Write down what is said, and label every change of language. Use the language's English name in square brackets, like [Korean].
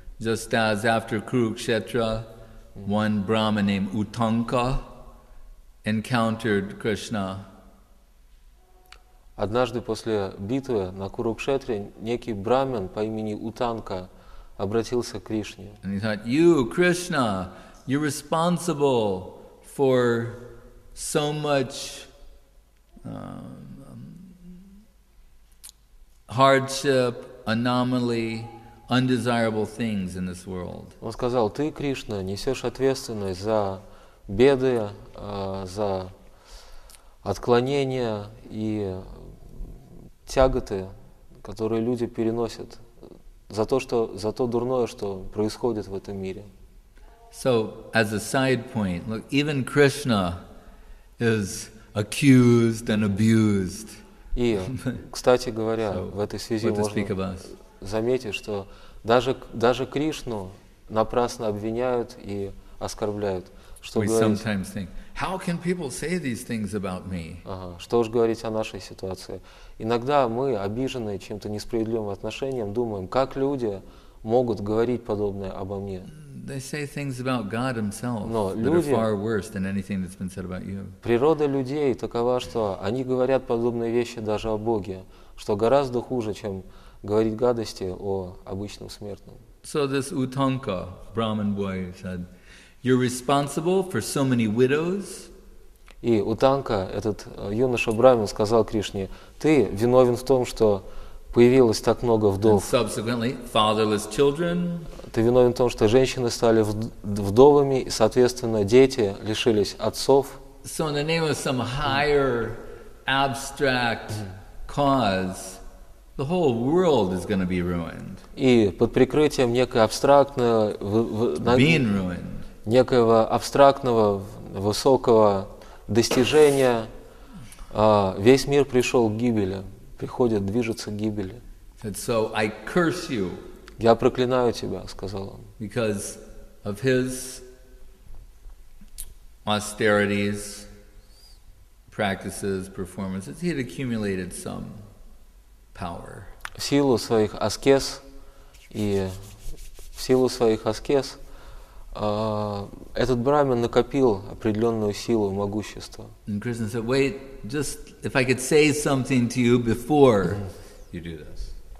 [English] Just as after Kurukshetra, one Brahma named Uttanka encountered Krishna. [Russian] Однажды после битвы на Курукшетре некий брамин по имени Утанка обратился к Кришне. [English] And he thought, you, Krishna, you're responsible for so much hardship, anomaly, undesirable things in this world. [Russian] Он сказал, ты, Кришна, несешь ответственность за беды, за отклонения и тяготы, которые люди переносят за то, что за то дурное, что происходит в этом мире. [English] So, as a side point, look, even Krishna is accused and abused. [Russian] И, кстати говоря, в этой связи можно заметить, что даже Кришну напрасно обвиняют и оскорбляют. Что [English] we sometimes think, how can people say these things about me? [Russian] Что уж говорить о нашей ситуации. Иногда мы, обиженные чем-то несправедливым отношением, думаем, как люди могут говорить подобное обо мне. [English] They say things about God himself that are far worse than anything that's been said about you. [Russian] Природа людей такова, что они говорят подобные вещи даже о Боге, что гораздо хуже, чем говорить гадости о обычном смертном. [English] So this Uttanka, Brahmin boy, said, you're responsible for so many widows. [Russian] И Утанка, этот юноша брамин, сказал Кришне, ты виновен в том, что появилось так много вдов. [English] And subsequently, fatherless children. [Russian] Ты виновен в том, что женщины стали вдовами, и, соответственно, дети лишились отцов. [English] So in the name of some higher abstract cause, the whole world is going to be ruined. [Russian] И под прикрытием некой абстрактной... [English] Being ruined. [Russian] Некоего абстрактного, высокого достижения, весь мир пришел к гибели, приходит, движется к гибели. [English] So I curse you, [Russian] я проклинаю тебя, сказал он. [English] Because of his austerities, practices, performances, he had accumulated some power. [Russian] В силу своих аскез и в силу своих аскез этот брамин накопил определенную силу, могущество. [English] And Krishna said, wait, just if I could say something to you before you do this.